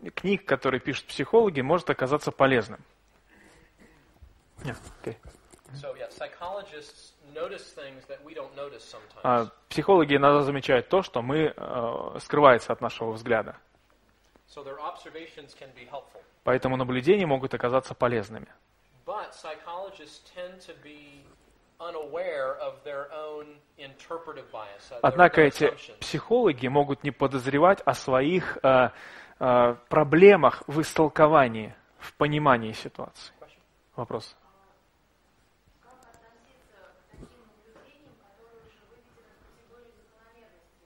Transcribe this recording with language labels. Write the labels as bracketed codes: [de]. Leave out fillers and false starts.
[ru] книг, которые пишут психологи, может оказаться полезным. Психологи иногда замечают то, что мы скрывается от нашего взгляда. [en] So their observations can be helpful. [ru] Поэтому наблюдения могут оказаться полезными. [en] But psychologists tend to be unaware of their own interpretive bias. [ru] Однако эти психологи могут не подозревать о своих проблемах в истолковании, в понимании ситуации. [en] Question. [ru] Вопрос. Как относиться к таким наблюдениям, которые уже выведены в категории закономерности?